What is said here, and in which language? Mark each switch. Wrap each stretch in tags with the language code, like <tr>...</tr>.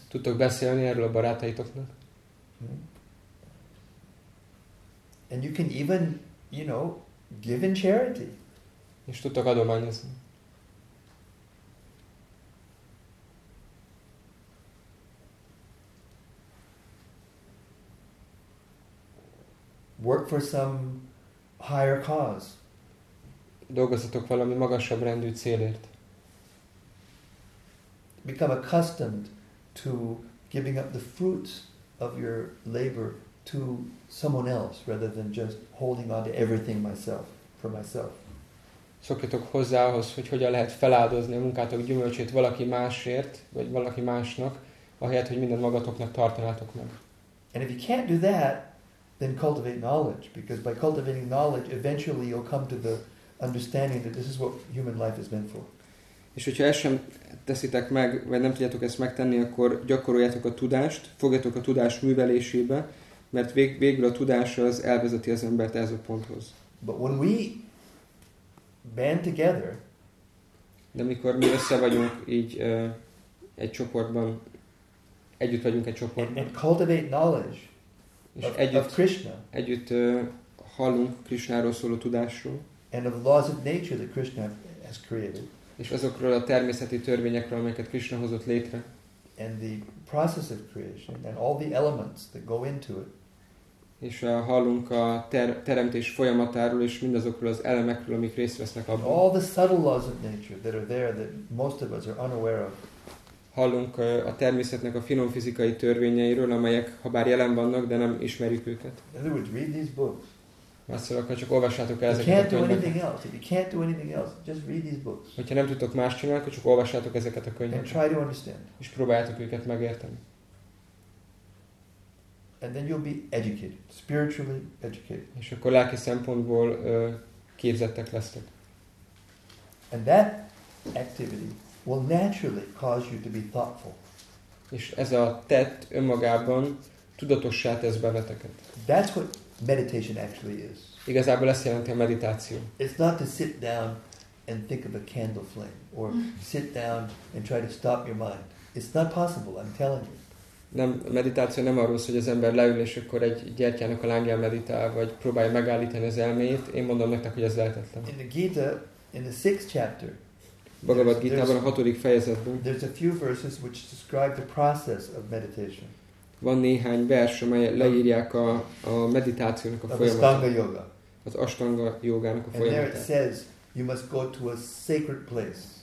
<hu>Tudtok beszélni erről a barátaitoknak.</hu> <en>And you can even, you know, give in charity.</en> <hu>És tudtok adományozni.</hu> <en>Work for some higher cause.</en> <hu>Dolgozzatok valami magasabb rendű célért.</hu> <en>Become accustomed to giving up the fruits of your labor to someone else rather than just holding on to everything myself for myself.</en> <hu>Szokjatok hozzá ahhoz, hogy hogyan lehet feláldozni a munkátok gyümölcsét valaki másért, vagy valaki másnak, ahelyett, hogy mindent magatoknak tartanátok meg.</hu> <en>And if you can't do that, then cultivate knowledge, because by cultivating knowledge, eventually you'll come to the understanding that this is what human life is meant for.</en> <hu>És hogyha ezt sem teszitek meg, vagy nem tudjátok ezt megtenni, akkor gyakoroljátok a tudást, fogjatok a tudás művelésébe, mert végül a tudás az elvezeti az embert ez a ponthoz.</hu> <en>But when we band together,</en> <hu>de amikor mi össze vagyunk így egy csoportban, együtt vagyunk egy csoportban,</hu> <en>and cultivate knowledge</en> <hu>és együtt hallunk Krishnáról szóló tudásról,</hu> <en>and of the laws of nature that Krishna has created.</en> <hu>És azokról a természeti törvényekről, amelyeket Krishna hozott létre.</hu> <en>And the process of creation and all the elements that go into it.</en> <hu>És hallunk a teremtés folyamatáról és mindazokról az elemekről, amik részt vesznek abban.</hu> <en>All the subtle laws of nature that are there that most of us are unaware of.</en> <hu>Hallunk a természetnek a finom fizikai törvényeiről, amelyek habár jelen vannak, de nem ismerjük őket.</hu> <en>In other words, read these books.</en> <hu>Másszor akkor csak olvassátok el ezeket a könyveket.</hu> <en>If you can't do anything else, just read these books.</en> <hu>Hogyha nem tudtok más csinálni, akkor csak olvassátok ezeket a könyveket.</hu> <en>And try to understand.</en> <hu>És próbáljátok őket megérteni.</hu> <en>And then you'll be educated, spiritually educated.</en> <hu>És akkor lelki szempontból képzettek lesztek.</hu> <en>And that activity will naturally cause you to be thoughtful.</en> <hu>És ez a tett önmagában tudatossá tesz benneteket.</hu> <en>That's what meditation actually is.</en> <hu>Igazából ezt jelenti a meditáció.</hu> <en>It's not to sit down and think of a candle flame or sit down and try to stop your mind. It's not possible, I'm telling you.</en> <hu>Nem, a meditáció nem arról, hogy az ember leül és akkor egy gyertyának a lángján meditál, vagy próbálja megállítani az elméjét. Én mondom nektek, hogy ez lehetetlen.</hu> <en>In the Gita, in the sixth chapter,</en> <hu>Bhagavad Gita-ban a hatodik fejezetben.</hu> <en>There's a few verses which describe the process of meditation.</en> <hu>Van néhány vers, amely leírják a meditációnak a folyamatát.</hu> <en>Ashtanga yoga.</en> <hu>Az Ashtanga jogának a folyamatát.</hu> <en>And there it says, you must go to a sacred place.</en>